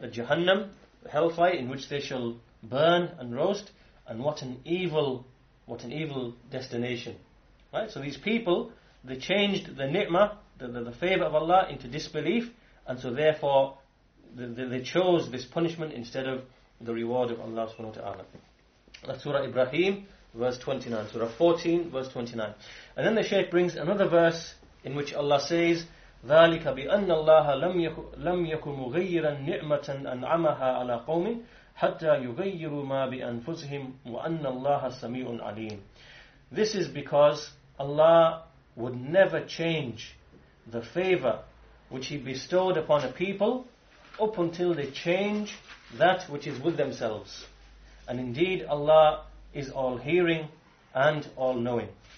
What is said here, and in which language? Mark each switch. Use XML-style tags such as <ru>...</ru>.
<en>The Jahannam, the hellfire in which they shall burn and roast, and what an evil destination. Right? So these people, they changed the ni'mah, the favor of Allah, into disbelief, and so therefore they chose this punishment instead of the reward of Allah subhanahu wa ta'ala. Surah Ibrahim, verse 29. Surah 14, verse 29. And then the Shaykh brings another verse in which Allah says,</en> <ar>ذَلِكَ بِأَنَّ اللَّهَ لَمْ يَكُ مُغَيِّرًا نِعْمَةً أَنْعَمَهَا عَلَى قَوْمٍ حَتَّى يُغَيِّرُوا مَا بِأَنفُسِهِمْ وَأَنَّ اللَّهَ سَمِيعٌ عَلِيمٌ.</ar> <en>This is because Allah would never change the favor which He bestowed upon a people up until they change that which is with themselves. And indeed, Allah is all-hearing and all-knowing.</en>